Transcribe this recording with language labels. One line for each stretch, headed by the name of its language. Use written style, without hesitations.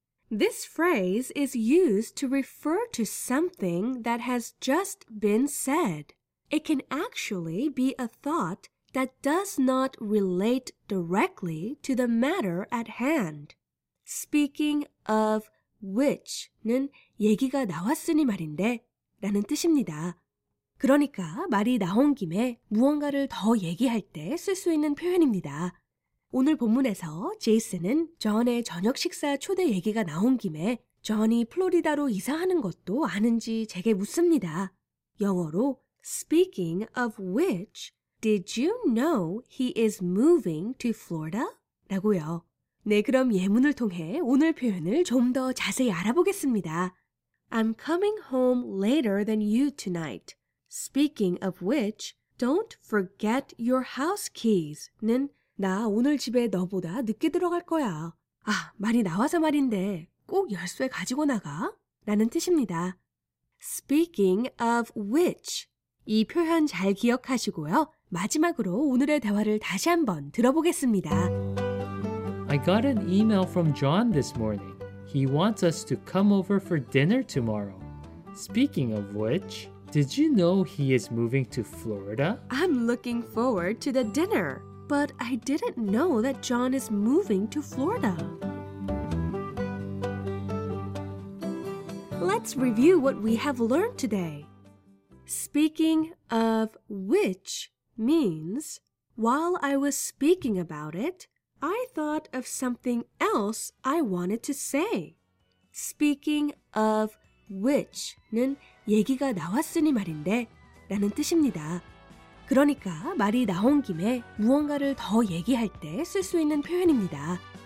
English: This phrase is used to refer to something that has just been said. It can actually be a thought that does not relate directly to the matter at hand. Speaking of which
Korean: 는 얘기가 나왔으니 말인데 라는 뜻입니다. 그러니까 말이 나온 김에 무언가를 더 얘기할 때 쓸 수 있는 표현입니다. 오늘 본문에서 제이슨은 존의 저녁 식사 초대 얘기가 나온 김에 존이 플로리다로 이사하는 것도 아는지 제게 묻습니다. 영어로
English: Speaking of which, did you know he is moving to Florida?
Korean: 라고요. 네, 그럼 예문을 통해 오늘 표현을 좀 더 자세히 알아보겠습니다.
English: I'm coming home later than you tonight. Speaking of which, don't forget your house keys.
Korean: 는 나 오늘 집에 너보다 늦게 들어갈 거야. 아, 말이 나와서 말인데 꼭 열쇠 가지고 나가? 라는 뜻입니다.
English: Speaking of which.
Korean: 이 표현 잘 기억하시고요. 마지막으로 오늘의 대화를 다시 한번 들어보겠습니다.
English: I got an email from John this morning. He wants us to come over for dinner tomorrow. Speaking of which, did you know he is moving to Florida? I'm looking forward to the dinner. But I didn't know that John is moving to Florida. Let's review what we have learned today. Speaking of which means, while I was speaking about it, I thought of something else I wanted to say. Speaking of which
Korean: 는 얘기가 나왔으니 말인데 라는 뜻입니다. 그러니까 말이 나온 김에 무언가를 더 얘기할 때 쓸 수 있는 표현입니다.